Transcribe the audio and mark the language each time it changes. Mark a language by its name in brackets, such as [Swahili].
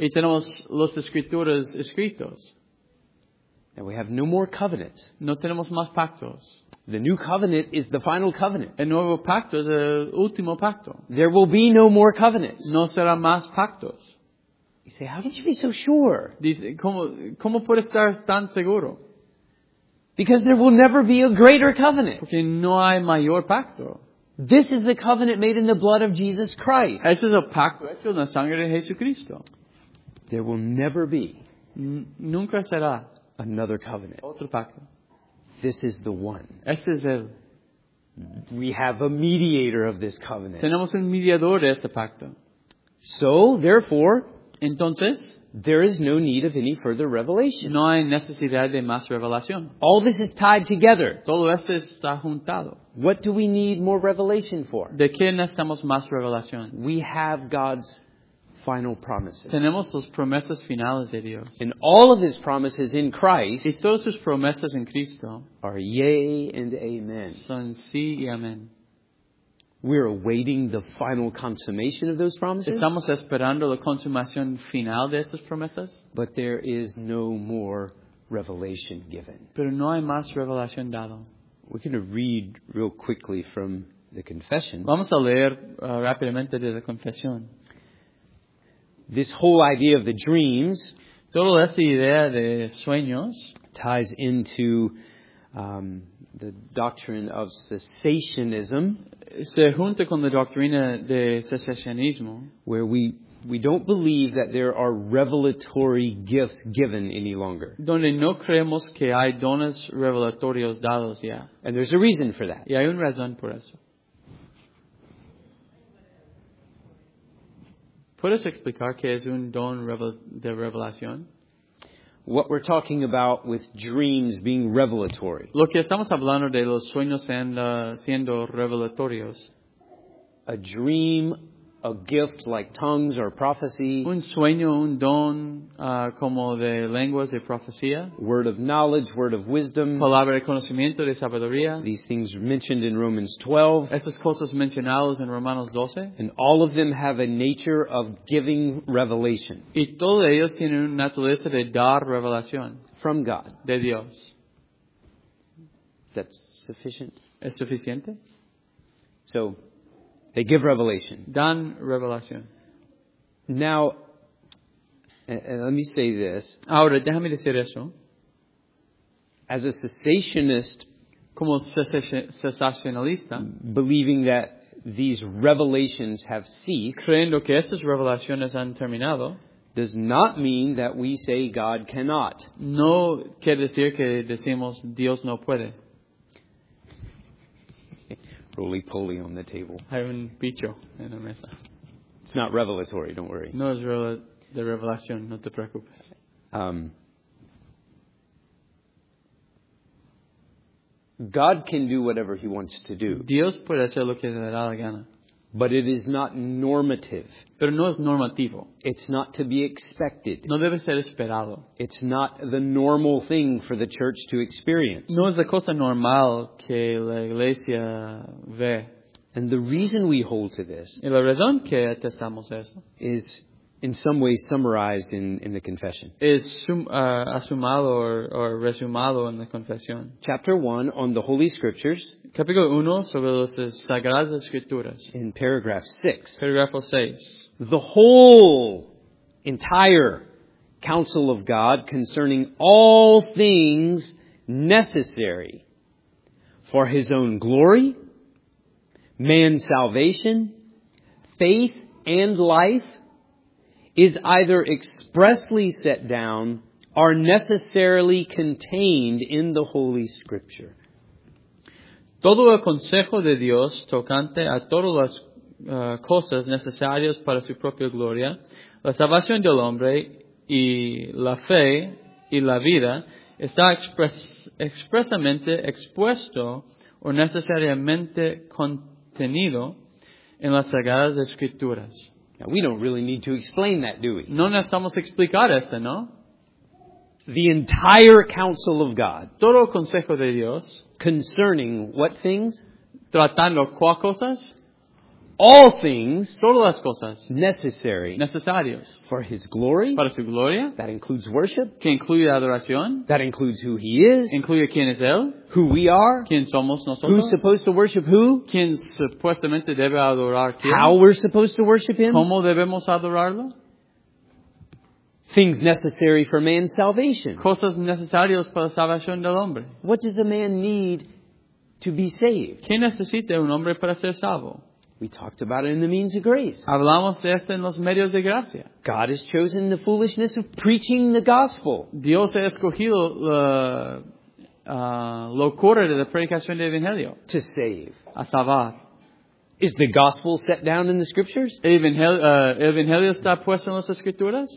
[Spanish] Y tenemos las escrituras escritos. [English] Now we have no more covenants. [Spanish] No tenemos más pactos. [English] The new covenant is the final covenant. [Spanish] El nuevo pacto es el último pacto. [English] There will be no more covenants. [Spanish] No serán más pactos. [English] You say, how did you be so sure? [Spanish] Dice, ¿cómo puede estar tan seguro? [English] Because there will never be a greater covenant. [Spanish] Porque no hay mayor pacto. [English] This is the covenant made in the blood of Jesus Christ. [Spanish] Este es el pacto hecho en la sangre de Jesucristo. [English] There will never be [Spanish] nunca será [English] another covenant. [Spanish] Otro pacto. [English] This is the one. [Spanish] Este es el. [English] We have a mediator of this covenant. [Spanish] Tenemos un mediador de este pacto. [English] So, therefore, [Spanish] entonces, [English] there is no need of any further revelation. [Spanish] No hay necesidad de más revelación. [English] All this is tied together. [Spanish] Todo esto está juntado. [English] What do we need more revelation for? [Spanish] ¿De qué necesitamos más revelación? [English] We have God's final promises. [Spanish] Tenemos las promesas finales de Dios. [English] And all of His promises in Christ. [Spanish] Y todas sus promesas en Cristo. [English] Are yea and amen. [Spanish] Son sí y amén. [English] We are awaiting the final consummation of those promises. [Spanish] Estamos esperando la consumación final de esas promesas. [English] But there is no more revelation given. [Spanish] Pero no hay más revelación dado. [English] We're going to read real quickly from the confession. [Spanish] Vamos a leer rápidamente de la confesión. [English] This whole idea of the dreams. [Spanish] Toda esta idea de sueños. [English] Ties into the doctrine of cessationism. [Spanish] Se junta con la doctrina de cesacionismo, [English] where we don't believe that there are revelatory gifts given any longer. [Spanish] Donde no creemos que hay dones revelatorios dados ya. [English] And there's a reason for that. [Spanish] Y hay una razón por eso. ¿Puedes explicar qué es un don de revelación? [English] What we're talking about with dreams being revelatory. [Spanish] Lo que estamos hablando de los sueños siendo revelatorios. [English] A dream, a gift like tongues or prophecy. [Spanish] Un sueño, un don como de lenguas de profecía. [English] Word of knowledge, word of wisdom. [Spanish] Palabra de conocimiento, de sabiduría. [English] These things mentioned in Romans 12. [Spanish] Esas cosas mencionadas en Romanos 12. [English] And all of them have a nature of giving revelation. [Spanish] Y todos ellos tienen una naturaleza de dar revelación. [English] From God. [Spanish] De Dios. [English] Is that sufficient? [Spanish] ¿Es suficiente? [English] So, they give revelation. [Spanish] Dan revelación. [English] Now, and let me say this. [Spanish] Ahora, déjame decir eso. [English] As a cessationist, [Spanish] como cesacionalista, [English] believing that these revelations have ceased, [Spanish] creyendo que estas revelaciones han terminado, [English] does not mean that we say God cannot. [Spanish] No quiere decir que decimos Dios no puede. [English] Roly-poly on the table. [Spanish] Hay un bicho en la mesa. [English] It's not revelatory, don't worry. [Spanish] No es de revelación, no te preocupes. [English] God can do whatever He wants to do. [Spanish] Dios puede hacer lo que le da la gana. [English] But it is not normative. [Spanish] Pero no es normativo. [English] It's not to be expected. [Spanish] No debe ser esperado. [English] It's not the normal thing for the church to experience. [Spanish] No es la cosa normal que la iglesia ve. [English] And the reason we hold to this, [Spanish] y la razón que atestamos eso, [English] is in some ways summarized in the confession. [Spanish] Es asumado or resumado en la confesión. [English] Chapter 1 on the Holy Scriptures. [Spanish] Capítulo 1 sobre las Sagradas Escrituras. [English] In paragraph 6. [Spanish] Paragrafo 6. [English] The whole entire counsel of God concerning all things necessary for his own glory, man's salvation, faith and life, is either expressly set down or necessarily contained in the Holy Scripture. [Spanish] Todo el consejo de Dios tocante a todas las cosas necesarias para su propia gloria, la salvación del hombre y la fe y la vida, está expresamente expuesto o necesariamente contenido en las Sagradas Escrituras. [English] Now, we don't really need to explain that, do we? [Spanish] No necesitamos explicar esto, ¿no? [English] The entire counsel of God. [Spanish] Todo el consejo de Dios. [English] Concerning what things? [Spanish] Tratando cuáles cosas? [English] All things. [Spanish] Todas las cosas. [English] Necessary. [Spanish] Necesarios. [English] For his glory. [Spanish] Para su gloria. [English] That includes worship. [Spanish] Que incluye adoración. [English] That includes who he is. [Spanish] Incluye quién es él. [English] Who we are. [Spanish] Quién somos nosotros. [English] Who's supposed to worship who. [Spanish] Quién supuestamente debe adorar quién. [English] How we're supposed to worship him. [Spanish] Cómo debemos adorarlo. [English] Things necessary for man's salvation. [Spanish] Cosas necesarias para la salvación del hombre. [English] What does a man need to be saved? [Spanish] ¿Qué necesita un hombre para ser salvo? [English] We talked about it in the means of grace. [Spanish] Hablamos de esto en los medios de gracia. [English] God has chosen the foolishness of preaching the gospel. [Spanish] Dios ha escogido la locura de la predicación del evangelio. [English] To save. [Spanish] A salvar. [English] Is the gospel set down in the scriptures? [Spanish] Evangelio está puesto en las escrituras?